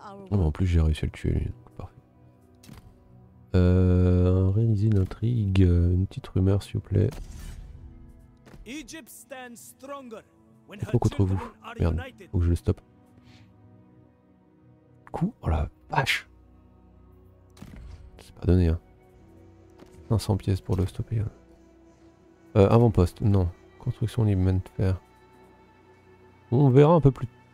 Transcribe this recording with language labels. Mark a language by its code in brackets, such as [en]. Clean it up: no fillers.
[fr] Oh, en plus, j'ai réussi à le tuer, lui. Réaliser une intrigue, une petite rumeur, s'il vous plaît. [en] Egypt stands stronger when her children are united. [fr] Merde, faut que je le stoppe. Coup, oh la vache. C'est pas donné, hein. 500 pièces pour le stopper. Hein. Avant-poste, non. Construction libre, main de fer. On verra un peu plus...